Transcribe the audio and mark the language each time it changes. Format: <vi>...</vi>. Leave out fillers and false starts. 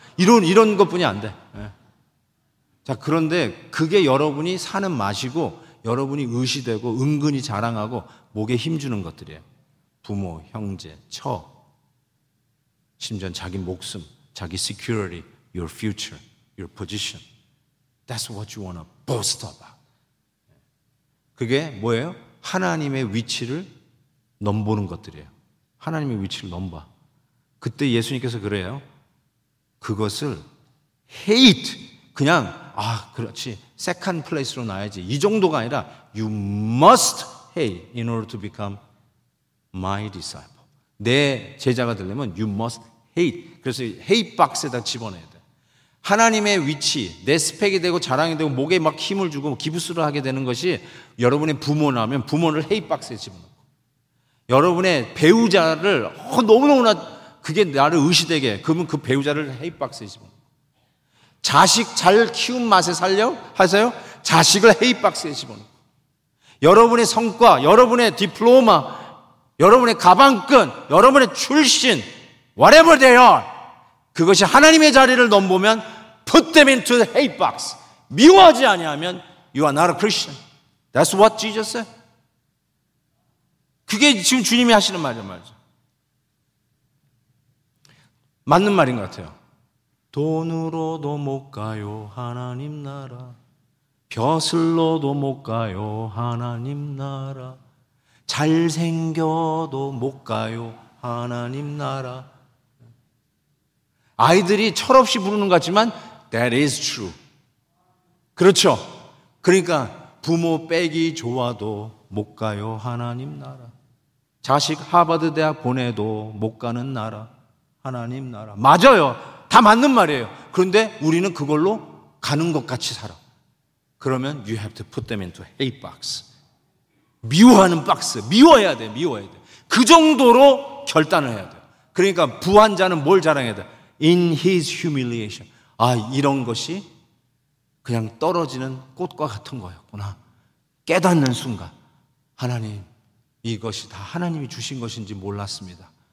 <ko>이런 것뿐이 안 돼. 자, 그런데 그게 여러분이 사는 맛이고 여러분이 의시되고 은근히 자랑하고 목에 힘주는 것들이에요. 부모, 형제, 처, 심지어 자기 목숨, 자기 security,</ko> <en>your future, your position. That's what you want to boast about.</en> <ko>그게 뭐예요? 하나님의 위치를 넘보는 것들이에요. 하나님의 위치를 넘봐. 그때 예수님께서 그래요. 그것을</ko> <en>hate.</en> <ko>그냥 아 그렇지</ko> <en>second place로</en> <ko>나야지 이 정도가 아니라</ko> <en>you must hate in order to become my disciple.</en> <ko>내 제자가 되려면</ko> <en>you must hate.</en> <ko>그래서 hate 박스에다 집어넣어야 돼. 하나님의 위치, 내 스펙이 되고 자랑이 되고 목에 막 힘을 주고 기부수를 하게 되는 것이 여러분의 부모라면 부모를 hate 박스에 집어넣고 여러분의 배우자를 너무너무나 그게 나를 의시되게 그러면 그 배우자를 hate 박스에 집어넣고 자식 잘 키운 맛에 살려? 하세요? 자식을 hate 박스에 집어넣고 여러분의 성과, 여러분의 디플로마 여러분의 가방끈, 여러분의 출신,</ko> <en>whatever they are,</en> <ko>그것이 하나님의 자리를 넘보면</ko> <en>put them into the hate box.</en> <ko>미워하지 아니하면</ko> <en>you are not a Christian. That's what Jesus said.</en> <ko>그게 지금 주님이 하시는 말이란 말이죠. 맞는 말인 것 같아요. 돈으로도 못 가요 하나님 나라, 벼슬로도 못 가요 하나님 나라, 잘생겨도 못 가요 하나님 나라. 아이들이 철없이 부르는 것 같지만</ko> <en>That is true.</en> <ko>그렇죠. 그러니까 부모 빼기 좋아도 못 가요 하나님 나라, 자식 하버드 대학 보내도 못 가는 나라 하나님 나라. 맞아요. 다 맞는 말이에요. 그런데 우리는 그걸로 가는 것 같이 살아. 그러면</ko> <en>You have to put them into hate box.</en> <ko>미워하는 박스. 미워해야 돼. 미워해야 돼. 그 정도로 결단을 해야 돼. 그러니까 부한자는 뭘 자랑해야 돼?</ko> <en>In his humiliation.</en> <ko>아, 이런 것이 그냥 떨어지는 꽃과 같은 거였구나. 깨닫는 순간. 하나님, 이것이 다 하나님이 주신 것인지 몰랐습니다.</ko>